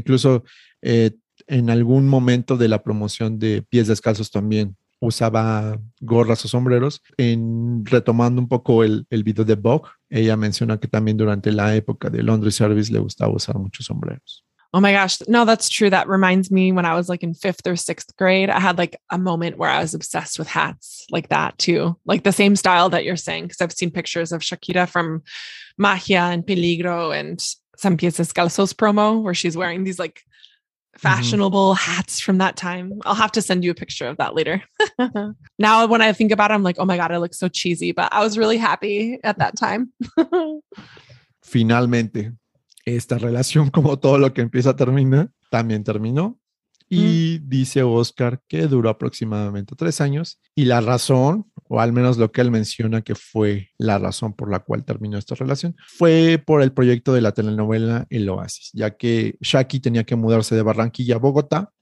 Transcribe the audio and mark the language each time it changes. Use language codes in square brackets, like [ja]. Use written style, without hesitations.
[es] Incluso en algún momento de la promoción de Pies Descalzos también usaba gorras o sombreros. Retomando un poco el video de Vogue, ella menciona que también durante la época de Laundry Service le gustaba usar muchos sombreros. [en] Oh my gosh, no, that's true. That reminds me when I was like in fifth or sixth grade, I had like a moment where I was obsessed with hats like that too. Like the same style that you're saying, because I've seen pictures of Shakira from Magia and Peligro and some Pies Descalzos promo where she's wearing these like fashionable hats from that time. I'll have to send you a picture of that later. Now when I think about it, I'm like, oh my God, it looks so cheesy, but I was really happy at that time. [es] Finalmente, esta relación, como todo lo que empieza, termina, también terminó. Y dice Oscar que duró aproximadamente 3 años. Y la razón, o al menos lo que él menciona que fue la razón por la cual terminó esta relación, fue por el proyecto de la telenovela El Oasis, ya que Shaki tenía que mudarse de Barranquilla a Bogotá.